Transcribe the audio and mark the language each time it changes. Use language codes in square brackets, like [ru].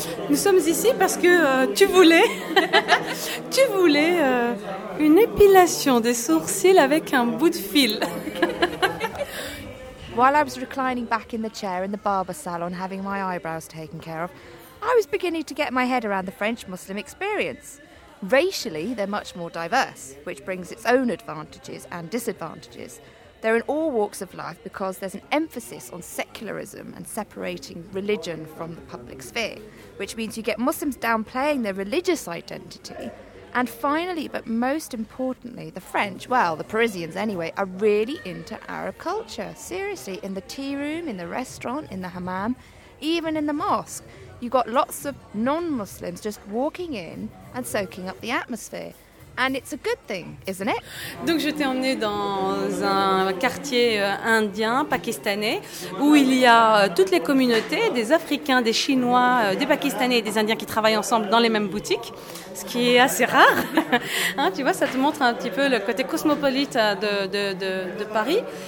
[fr] Nous sommes ici parce que tu voulais une épilation des sourcils avec un bout de fil. [en] While I was reclining back in the chair in the barber salon having my eyebrows taken care of, I was beginning to get my head around the French Muslim experience. Racially, they're much more diverse, which brings its own advantages and disadvantages. They're in all walks of life because there's an emphasis on secularism and separating religion from the public sphere, which means you get Muslims downplaying their religious identity. And finally, but most importantly, the French, well, the Parisians anyway, are really into Arab culture. Seriously, in the tea room, in the restaurant, in the hammam, even in the mosque, you've got lots of non-Muslims just walking in and soaking up the atmosphere. And it's a good thing, isn't it? [fr] Donc je t'ai emmené dans un quartier indien, pakistanais, où il y a toutes les communautés, des Africains, des Chinois, des Pakistanais et des Indiens qui travaillent ensemble dans les mêmes boutiques, ce qui est assez rare. Hein, tu vois, ça te montre un petit peu le côté cosmopolite de Paris.